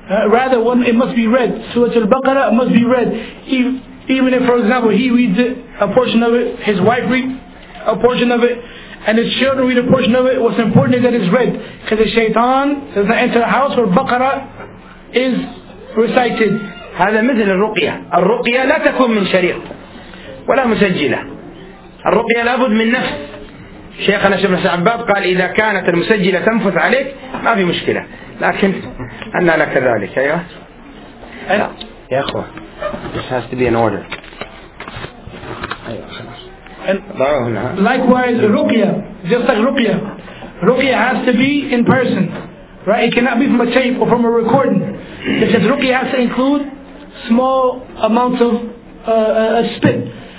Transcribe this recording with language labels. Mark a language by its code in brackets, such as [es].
[en] Rather, one it must be read. Surah Al-Baqarah must be read. Even if, for example, he reads it, a portion of it, his wife reads a portion of it, and his children read a portion of it, what's important is that it's read. Because the shaitan does not enter a house where Baqarah is recited. [ar] هذا مثل الرقية. الرقية لا تكون من شريط ولا مسجلة. الرقية لابد من نفس. شيخنا الشيخ ابن سعباد قال إذا كانت المسجلة تنفث عليك ما في مشكلة, لكن أنا لك ذلك. أيوة. لا يا أخوة, [en] this has to be in order. [ar] أيوة خلاص. ضعوه هنا. [en] Likewise رقية, just like رقية, رقية has to be in person, right? It cannot be from a tape or from a recording. It says رقية has to include small amounts of spit.